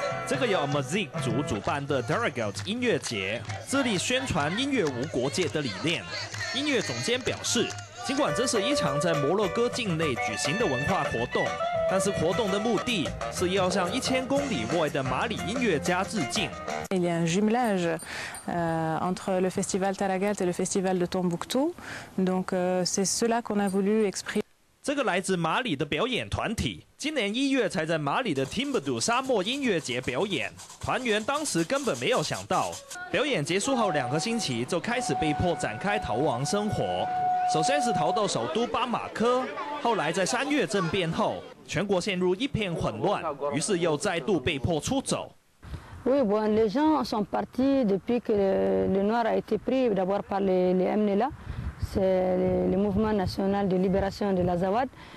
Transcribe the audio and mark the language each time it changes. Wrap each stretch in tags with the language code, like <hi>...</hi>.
<zh>这个由 Amazigh 族主办的 Tarragut 音乐节致力宣传音乐无国界的理念。音乐总监表示，尽管这是一场在摩洛哥境内举行的文化活动，但是活动的目的是要向1000公里外的马里音乐家致敬。</zh> <fr>Il y a un jumelage entre le festival Tarragut et le festival de Tombouctou, donc c'est cela qu'on a voulu exprimer。</fr> <zh>这个来自马里的表演团体，今年1月才在马里的 Timbuktu 沙漠音乐节表演。团员当时根本没有想到，表演结束后2个星期就开始被迫展开逃亡生活。首先是逃到首都巴马科，后来在3月政变后，全国陷入一片混乱，于是又再度被迫出走。</zh> <fr>Oui, bon, les gens sont partis depuis que le Noir a été pris d'abord par les MNLA, c'est le mouvement national de libération de l'Azawad.</fr>